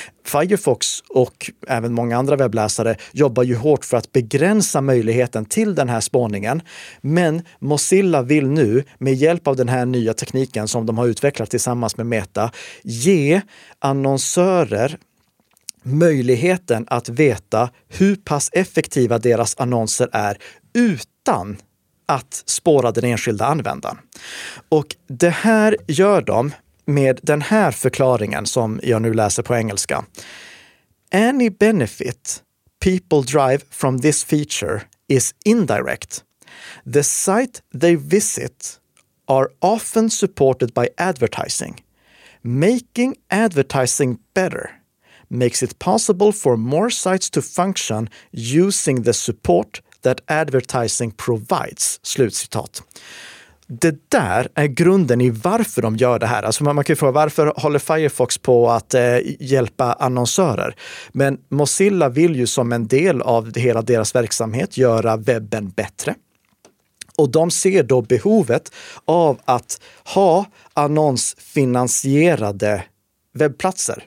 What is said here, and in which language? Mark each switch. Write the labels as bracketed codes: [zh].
[sv] Firefox och även många andra webbläsare jobbar ju hårt för att begränsa möjligheten till den här spaningen, men Mozilla vill nu med hjälp av den här nya tekniken som de har utvecklat tillsammans med Meta ge annonsörer möjligheten att veta hur pass effektiva deras annonser är utan att spåra den enskilda användaren. Och det här gör de med den här förklaringen som jag nu läser på engelska. [en] Any benefit people drive from this feature is indirect. The site they visit are often supported by advertising. Making advertising better makes it possible for more sites to function using the support that advertising provides, [sv] slutcitat. Det där är grunden i varför de gör det här. Alltså man kan ju fråga, varför håller Firefox på att hjälpa annonsörer? Men Mozilla vill ju som en del av hela deras verksamhet göra webben bättre. Och de ser då behovet av att ha annonsfinansierade webbplatser.